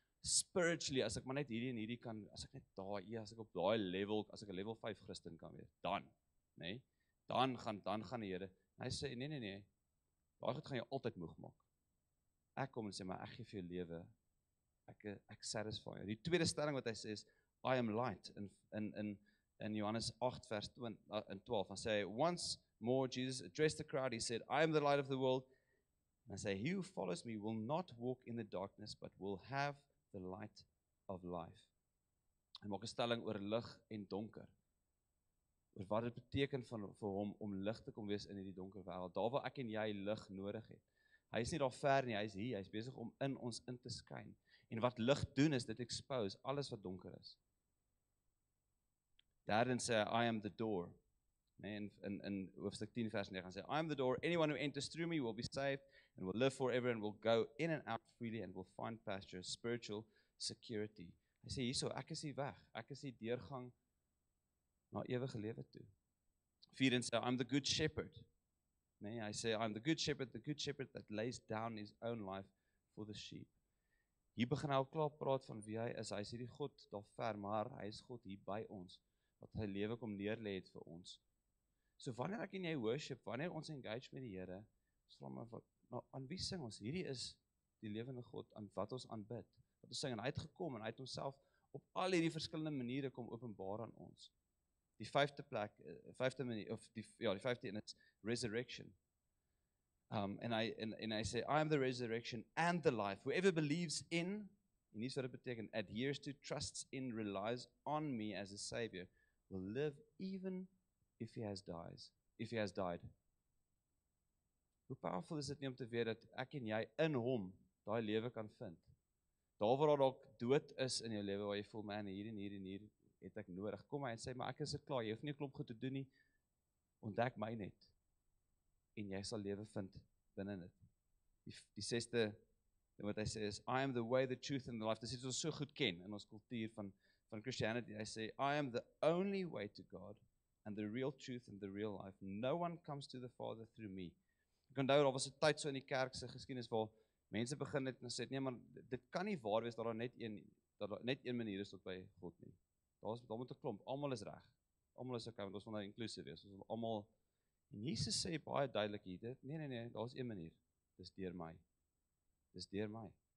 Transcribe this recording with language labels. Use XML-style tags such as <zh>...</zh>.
<af>Spiritually, as ek maar net hierdie en hierdie kan, as ek net daar, as ek op daai level, as ek 'n level 5 Christen kan wees, dan, nee, dan gaan die Here, en hy sê, nee, daai goed gaan jou altyd moeg maak. Ek kom en sê, maar ek gee vir jou lewe, ek satisfy jou. Die tweede stelling wat hy sê is,</af> <en>I am light,</en> <af>in Johannes 8 vers 12, en sê hy,</af> <en>once more Jesus addressed the crowd, he said, I am the light of the world, and I say, he who follows me will not walk in the darkness, but will have the light of life.</en> <af>Hy maak 'n stelling oor lig en donker, oor wat dit beteken vir hom om lig te kom wees in die donker wêreld, daar waar ek en jy lig nodig het. Hy is nie daar ver nie, hy is hier, hy is besig om in ons in te skyn. En wat lig doen is, dit expose alles wat donker is. Daarin sê,</af> <en>I am the door.</en> <af>Nee, in hoofstuk 10 vers 9 sê,</af> <en>I am the door, anyone who enters through me will be saved, and will live forever, and will go in and out freely, and will find pasture, spiritual security.</en> <af>Hy sê, hierso, ek is die weg, ek is die deurgang na ewige lewe toe. 4 en sê,</af> <en>I am the good shepherd.</en> <af>Nee, hy sê,</af> <en>I am the good shepherd that lays down his own life for the sheep.</en> <af>Hier begin hy al klaar praat van wie hy is, hy sê die God daar ver, maar hy is God hier by ons, wat hy lewe kom neerlê het vir ons. So wanneer ek en jy worship, wanneer ons engage met die Here, sal maar wat, nou, aan wie sing ons? Hierdie is die levende God, aan wat ons aanbid, wat ons sing, en hy het gekom, en hy het homself op al hierdie verskillende maniere kom openbaar aan ons. Die vijfde plek, vijfde manier, of die, ja, die vijfde, en het is resurrection.</af> <en>And I say, I am the resurrection and the life. Whoever believes in,</en> <af>en hier is wat het beteken,</af> <en>adheres to, trusts in, relies on me as a savior, will live even if he has died.</en> <af>Hoe powerful is dit nie om te weet dat ek en jy in hom daai lewe kan vind. Daar waar daar ook dood is in jou lewe, waar jy voel, man, hier en hier en hier het ek nodig. Kom hy en sê, maar ek is klaar, jy hoef nie klomp goed te doen nie, ontdek my net. En jy sal lewe vind binnen dit. Die sesde, wat hy sê is,</af> <en>I am the way, the truth and the life.</en> <af>Dit is iets wat ons so goed ken in ons kultuur van Christianity. Hy sê,</af> <en>I am the only way to God, and the real truth and the real life. No one comes to the Father through me.</en> <af>Ek onthou, daar was 'n tyd so in die kerk se geskiedenis waar mense begin het en sê, nee, maar dit kan nie waar wees, dat daar net een manier is tot by God nie. Daar moet 'n klomp, almal is reg. Almal is okay, want ons wil nou inclusive wees. Ons wil almal, en Jesus sê baie duidelik hier, nee, daar is een manier. Dis deur my.</af>